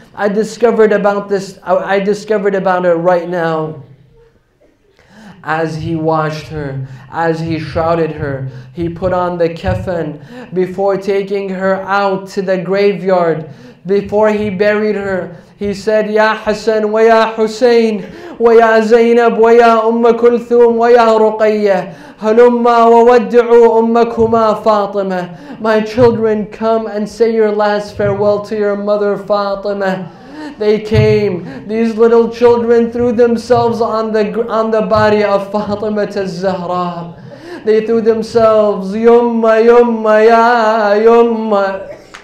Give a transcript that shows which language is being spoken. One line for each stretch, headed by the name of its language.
English: I discovered about it right now. As he washed her, as he shrouded her, he put on the kefan before taking her out to the graveyard. Before he buried her, he said, Ya Hassan wa Ya Hussein,
Arabic: ويا زينب ويا أم كلثوم ويا رقية هلما وودعوا أمكما فاطمة.
English: My children, come and say your last farewell to your mother Fatima. They came, these little children threw themselves on the body of Fatima al-Zahra. They threw themselves, yumma, yumma, ya, yumma.